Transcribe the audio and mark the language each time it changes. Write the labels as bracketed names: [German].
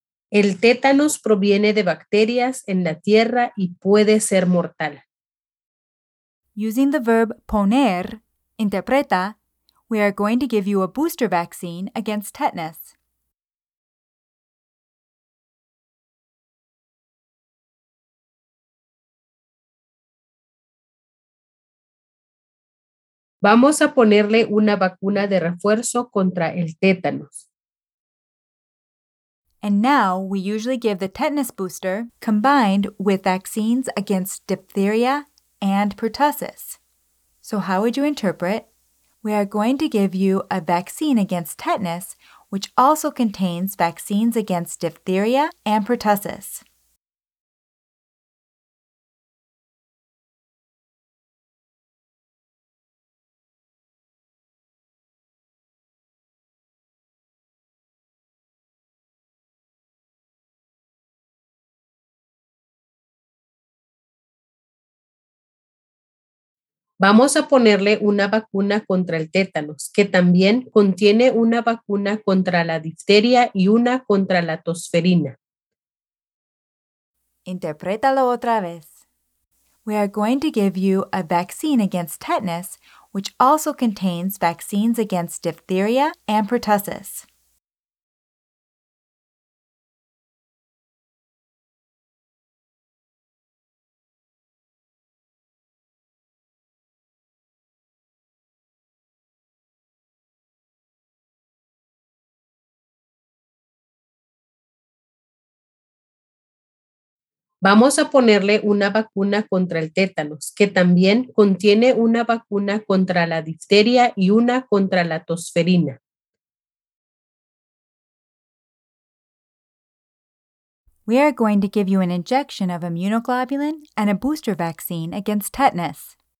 [Spanish] El tétanos proviene de bacterias en la tierra y puede ser mortal. [English] Using the verb poner, interpreta, we are going to give you a booster vaccine against tetanus. [Spanish] Vamos a ponerle una vacuna de refuerzo contra el tétanos. [English] And now we usually give the tetanus booster combined with vaccines against diphtheria and pertussis. So how would you interpret? We are going to give you a vaccine against tetanus, which also contains vaccines against diphtheria and pertussis. [Spanish] Vamos a ponerle una vacuna contra el tétanos, que también contiene una vacuna contra la difteria y una contra la tosferina. Interprétalo otra vez. [English] We are going to give you a vaccine against tetanus, which also contains vaccines against diphtheria and pertussis. [Spanish] Vamos a ponerle una vacuna contra el tétanos, que también contiene una vacuna contra la difteria y una contra la tosferina. [English] We are going to give you an injection of immunoglobulin and a booster vaccine against tetanus.